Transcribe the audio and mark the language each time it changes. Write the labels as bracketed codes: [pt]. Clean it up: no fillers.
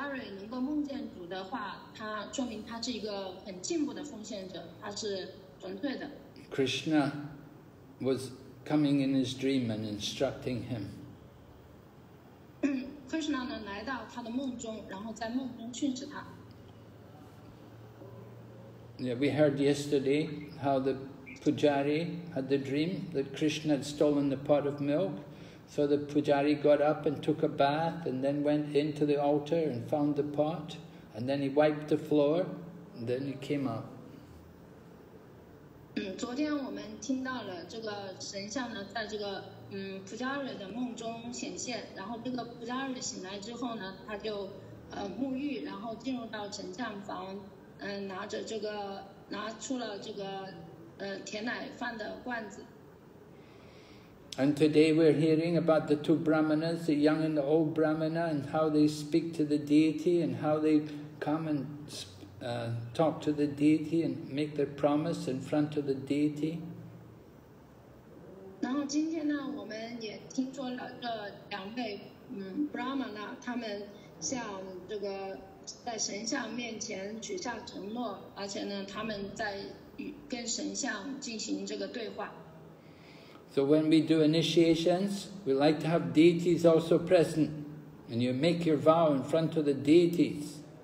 [zh] 是的，如果这个Pujari能够梦见主的话， 他说明他是一个很进步的奉献者，他是纯粹的。 [en] Krishna was coming in his dream and instructing him. [zh] Krishna 呢，来到他的梦中，然后在梦中训斥他。 [en] Yeah, we heard yesterday how the Pujari had the dream that Krishna had stolen the pot of milk. So the Pujari got up and took a bath and then went into the altar and found the pot. And then he wiped the floor and then he came out. [zh] 昨天我们听到了这个神像呢，在这个普加瑞的梦中显现，然后这个普加瑞醒来之后呢，他就沐浴，然后进入到神像房，拿出了这个甜奶饭的罐子。 [en] And today we're hearing about the two brahmanas, the young and the old brahmana, and how they speak to the deity, and how they come and talk to the deity and make their promise in front of the deity. [zh] 然后今天呢，我们也听说了这两位brahmana，他们向这个在神像面前举下承诺，而且呢，他们在跟神像进行这个对话。 [en] So when we do initiations, we like to have deities also present, and you make your vow in front of the deities.